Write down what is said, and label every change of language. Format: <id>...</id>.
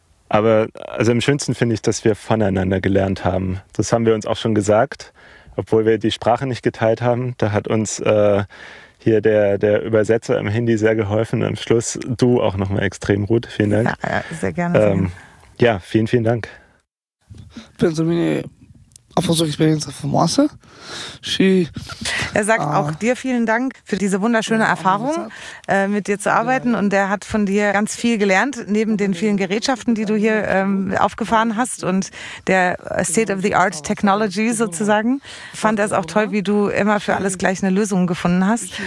<de>Aber also am schönsten finde ich, dass wir voneinander gelernt haben. Das haben wir uns auch schon gesagt, obwohl wir die Sprache nicht geteilt haben. Da hat uns hier der Übersetzer im Handy sehr geholfen. Am Schluss du auch nochmal extrem gut. Vielen Dank. Ja, sehr gerne. Ja, vielen, vielen Dank.</de> <ro>Pentru mine a fost o experiență frumoasă și...</ro> <de>Er sagt auch dir vielen Dank für diese wunderschöne Erfahrung, mit dir zu arbeiten. Und er hat von dir ganz viel gelernt, neben den vielen Gerätschaften, die du hier aufgefahren hast und der</de> <en>State-of-the-Art Technology</en> <de>sozusagen. Fand er es auch toll, wie du immer für alles gleich eine Lösung gefunden hast.</de>